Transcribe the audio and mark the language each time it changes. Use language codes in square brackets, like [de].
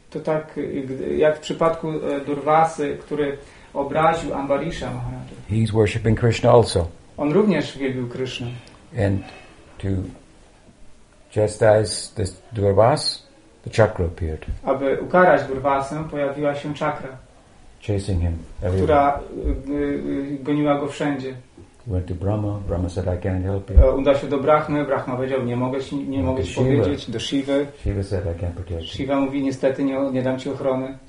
[pl] To tak jak w przypadku Durvasy, który obraził Ambarisha. [en] He's worshiping Krishna also. [pl] On również wielbił Krishna. [en] And to chastise this Durvas, the chakra appeared. [pl] Aby ukarać Durvasę, pojawiła się czakra. [en] Chasing him everywhere. [pl] Która goniła go wszędzie. [en] Went to Brahma. Brahma said, "I can't help you." [pl] Udał się do Brahmy. Brahma powiedział, nie mogę ci powiedzieć. Do Shivy. [en] Shiva said, "I can't protect you." [pl] Shiva mówi, niestety nie dam ci ochrony.